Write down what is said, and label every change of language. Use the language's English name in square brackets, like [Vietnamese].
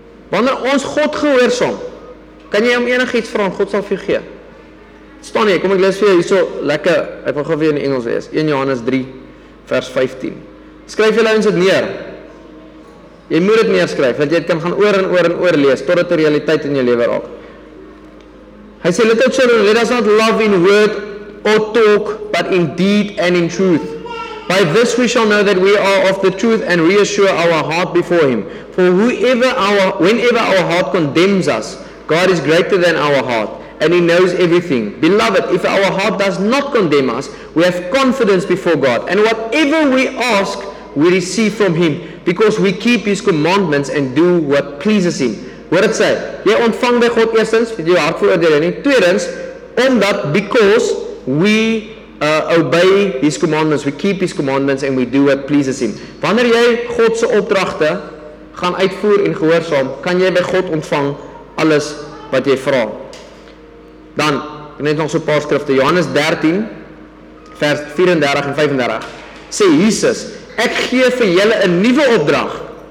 [Afrikaans] Wanneer ons God gehoorsaam, kan jy hom enigiets vra en God sal vir gee. Staan nie, kom ek lees vir jou hierso lekker, ek wil gou weer in Engels lees. 1 Johannes 3 vers 15. Skryf julle ons dit neer. Jy moet dit neerskryf, want jy kan gaan oor en oor en oor lees, tot dit 'n realiteit in jou lewe raak. Hy sê, [English] little children, let us not love in word or talk, but in deed and in truth. By this we shall know that we are of the truth and reassure our heart before him. For whenever our heart condemns us, God is greater than our heart, and he knows everything. Beloved, if our heart does not condemn us, we have confidence before God, and whatever we ask, we receive from him, because we keep his commandments and do what pleases him. [Afrikaans] Hoor dit sê, jy ontvang by God eerstens, vir jou hart veroordeel nie, tweedens, omdat, [English] because we obey his commandments, we keep his commandments and we do what pleases him. [Afrikaans] Wanneer jy God se opdragte gaan uitvoer en gehoorsaam, kan jy by God ontvang alles wat jy vra. Dan, net nog so 'n paar skrifte, Johannes 13, vers 34 en 35, sê Jesus, ek gee vir julle 'n nuwe opdrag.